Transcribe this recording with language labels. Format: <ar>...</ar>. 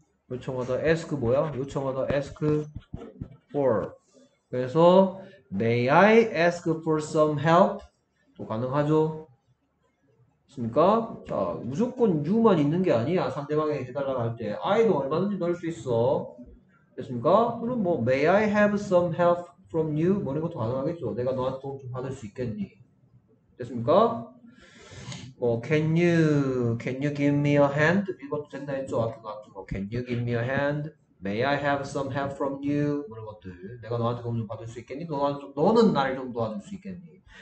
<ko>요청하다 ask 뭐야? 요청하다 ask for 그래서</ko> <en>May I ask for some help?</en> <ko>또 가능하죠? 있습니까? 자, 무조건 you만 있는 게 아니야. 상대방에게 해달라고 할 때. I도 얼마든지 넣을 수 있어. 됐습니까? 그럼 뭐,</ko> <en>May I have some help from you?</en> <ko>뭐 이런 것도 가능하겠죠. 내가 너한테 도움 좀 받을 수 있겠니? 됐습니까? 뭐,</ko> <en>can you give me a hand?</en> <ko>이것도 된다 했죠. 아까도</ko> <en>can you give me a hand? May I have some help from you?</en> <ko>그런 것들. 내가 너한테 도움 좀 받을 수 있겠니? 너는 나를 좀 도와줄 수 있겠니?</ko>